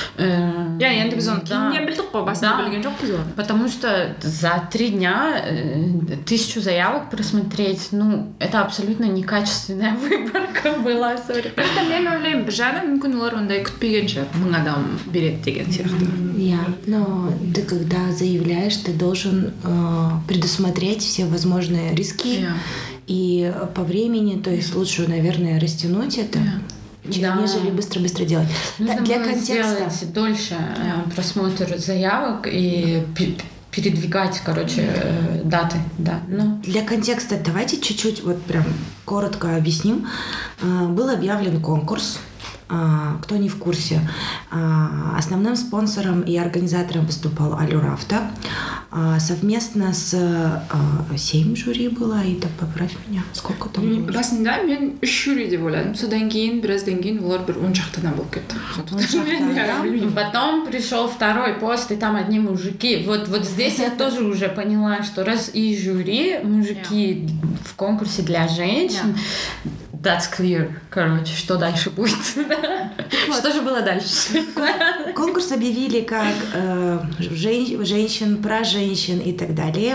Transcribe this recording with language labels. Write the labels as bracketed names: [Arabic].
[Kazakh] Я енді біз оны кейіннен білдік қой, басында білген жоқпыз ғой. [Russian] Потому что за 3 дня 1000 заявок просмотреть, ну, это абсолютно некачественная выборка была, сори. Просто [Kazakh] мен ойлаймын, бір жағынан мүмкін олар ондай күтпегенше 1000 адам береді деген сияқты. [Russian] Я, но ты когда заявляешь, ты должен предусмотреть все возможные риски и по времени, то есть лучше, наверное, растянуть это, нежели быстро-быстро делать. Нужно для контекста сделать дольше просмотр заявок и передвигать, короче, даты, да. Но... Для контекста давайте чуть-чуть вот прям коротко объясним. Был объявлен конкурс. Кто не в курсе, основным спонсором и организатором выступал Allure Auto. Совместно с 7 жюри было, и это поправь меня, сколько там было? В основном, я 3 жюри делала. [Kazakh] Содан кейін, біразден кейін, олар бір 10 шақтадан болып кетті. [Russian] Потом пришел второй пост, и там одни мужики. Вот, вот здесь я тоже уже поняла, что раз и жюри, мужики в конкурсе для женщин, [English] that's clear. [Russian] Короче, что дальше будет? Вот. Что же было дальше? Конкурс объявили как женщин, про женщин и так далее.